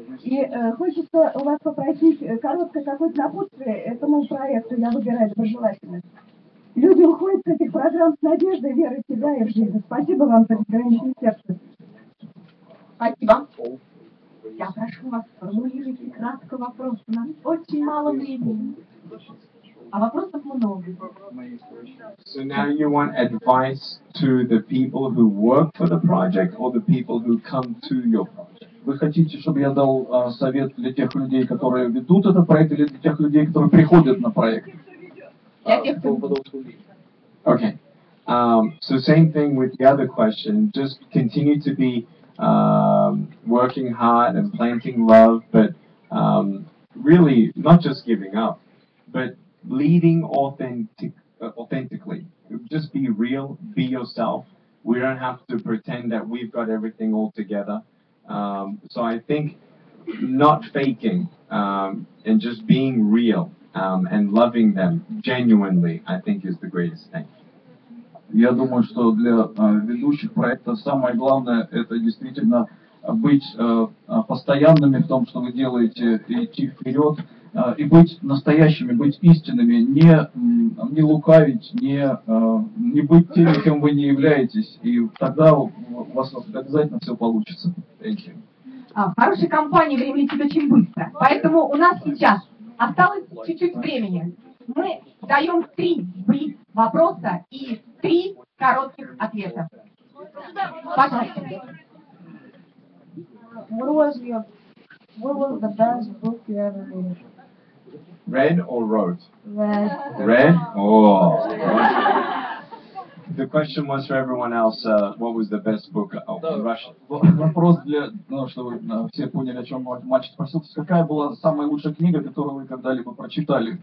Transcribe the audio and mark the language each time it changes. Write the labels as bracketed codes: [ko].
[ru] И хочется у вас попросить короткое какое-то напутствие этому проекту «Я выбираю доброжелательность». Люди уходят с этих программ с надеждой, верой в себя и в жизнь. Спасибо вам за безграничное сердце. Спасибо. Я прошу вас, формулируйте кратко вопрос. У нас очень мало времени. А вопросов много. [en] So now you want advice to the people who work for the project or the people who come to your project? [ru] Вы хотите, чтобы я дал совет для тех людей, которые ведут этот проект, или для тех людей, которые приходят на проект? [en] Okay. So same thing with the other question. Just continue to be working hard and planting love, but really not just giving up, but leading authentically. Just be real, be yourself. We don't have to pretend that we've got everything all together. So I think not faking and just being real. And loving them genuinely, I think, is the greatest thing. [ru] Я думаю, что для ведущих проекта самое главное это действительно быть постоянными в том, что вы делаете, и идти вперед, и быть настоящими, быть истинными, не лукавить, не быть теми, кем вы не являетесь, и тогда у вас обязательно все получится. [en] Thank you. [ru] Хорошая компания времени очень быстро, поэтому у нас сейчас осталось чуть-чуть времени. Мы даем три вопроса и три коротких ответа. Пожалуйста. [en] Red or rose? Red. Red? Oh. The question was for everyone else, what was the best book in Russian? [ru] Вопрос для, чтобы все поняли, о чем матч спросил. Какая была самая лучшая книга, которую вы когда-либо прочитали?